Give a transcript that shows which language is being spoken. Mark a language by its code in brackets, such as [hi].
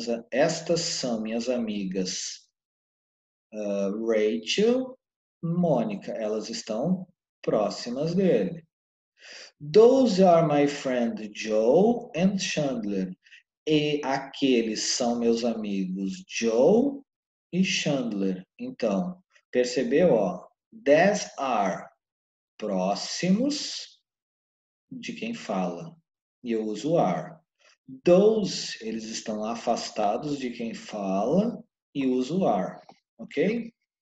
[pt] Estas são minhas amigas Rachel e Monica. Elas estão próximas dele. [en] Those are my friend Joe and Chandler. [pt] E aqueles são meus amigos Joe e Chandler. Então, percebeu, ó? [en] These are [pt] próximos de quem fala. E eu uso are. [en] Those, [pt] eles estão afastados de quem fala e usa o are, ok?